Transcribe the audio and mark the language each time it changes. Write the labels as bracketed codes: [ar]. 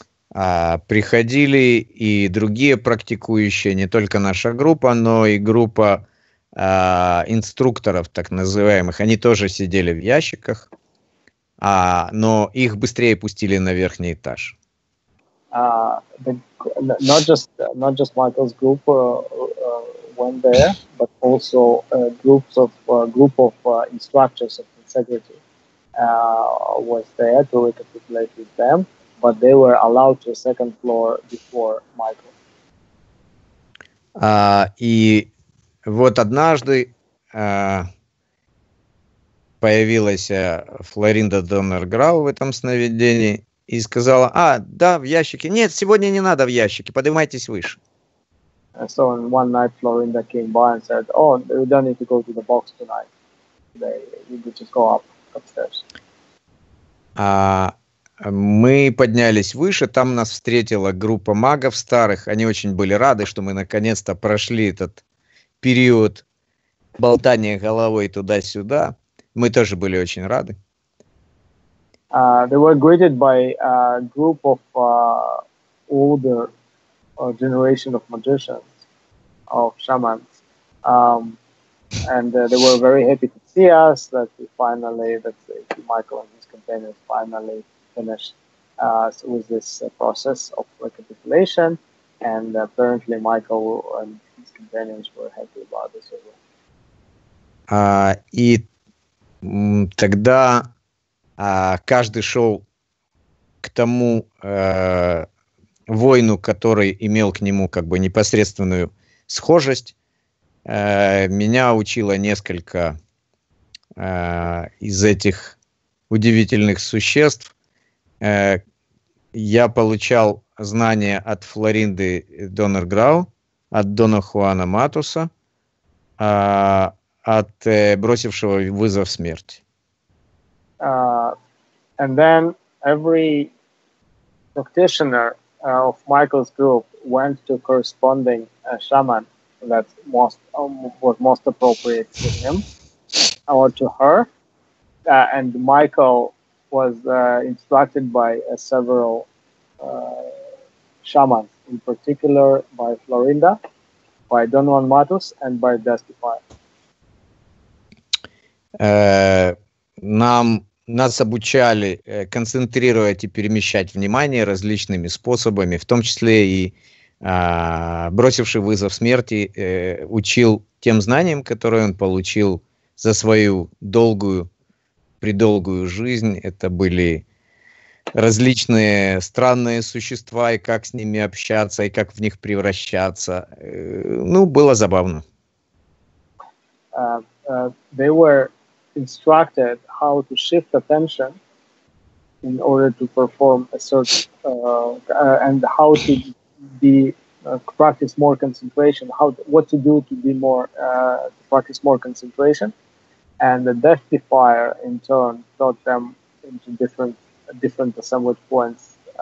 [ru] Приходили и другие практикующие, не только наша группа, но и группа инструкторов, так называемых, они тоже сидели в ящиках, но их быстрее пустили на верхний этаж. [en] Not just Michael's group went there, but also group of instructors of integrity was there to recapitulate with them, but they were allowed to the second floor before Michael. [ru] Вот однажды появилась Флоринда Доннерграу в этом сновидении и сказала: «А, да, в ящике». «Нет, сегодня не надо в ящике, поднимайтесь выше». [en] So on one night Florinda came by and said, «Oh, we don't need to go to the box tonight. We could just go up, upstairs». [ru] Мы поднялись выше, там нас встретила группа магов старых. Они очень были рады, что мы наконец-то прошли этот период болтания головой туда-сюда. Мы тоже были очень рады. [en] They were greeted by a group of older generation of magicians, of shamans, And they were very happy to see us, that we finally, that Michael and his companions finally finished with this process of recapitulation. And apparently Michael and his companions were happy about this as well. [ru] И тогда каждый шел к тому воину, который имел к нему как бы непосредственную схожесть. Меня учило несколько из этих удивительных существ. Я получал знания от Флоринды Доннерграу, от Дона Хуана Матуса, от бросившего вызов смерти. [en] And then every practitioner of Michael's group went to corresponding shaman that most was most appropriate to him or to her, and Michael was instructed by several shamans, in particular by Florinda, by Don Juan Matos, and by Destify. [ru] Нас обучали концентрировать и перемещать внимание различными способами, в том числе и бросивший вызов смерти учил тем знаниям, которые он получил за свою долгую, предолгую жизнь. Это были различные странные существа, и как с ними общаться, и как в них превращаться. Ну, было забавно. [en] They were instructed how to shift attention in order to perform a search and how to be practice more concentration, to practice more concentration, and the death defier in turn taught them into different assembled points,